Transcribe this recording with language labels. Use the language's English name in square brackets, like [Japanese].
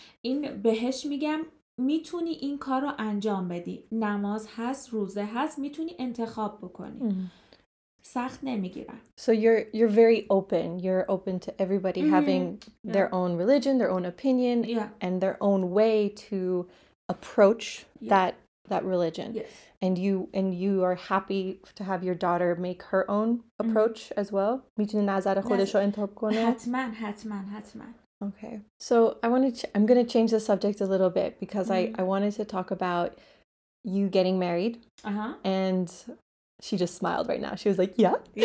[Persian] این بهش میگم میتونی این کار رو انجام بدی، نماز هست، روزه هست، میتونی انتخاب بکنی. سخت نمیگیرم. [English] So you're very open. You're open to everybody having their own religion, their own opinion, and their own way to approach that religion. Yes. And you are happy to have your daughter make her own approach as well. [Persian] میتونی نظر خودش رو انتخاب کنه. حتماً. [English] Okay, so I'm going to change the subject a little bit because I wanted to talk about you getting married. And she just smiled right now. She was like, yeah.